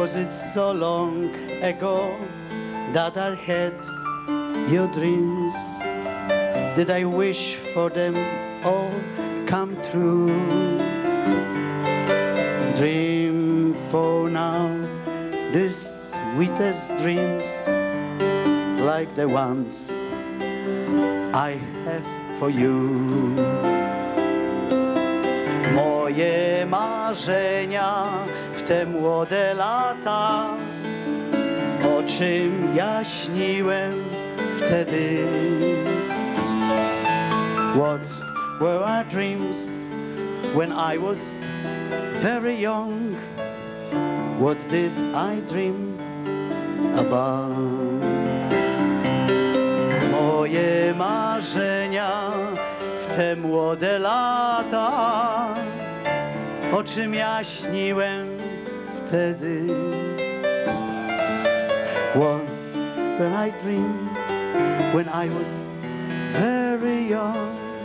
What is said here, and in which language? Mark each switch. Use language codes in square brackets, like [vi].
[en] So long ago that I had your dreams, did I wish for them all come true? Dream for now the sweetest dreams, like the ones I have for you. [pl] Moje marzenia w te młode lata, o czym ja śniłem wtedy. [en] What were our dreams when I was very young? What did I dream about? [pl] Moje marzenia w te młode lata, o czym ja śniłem wtedy. [en] What did I dream when I was very young?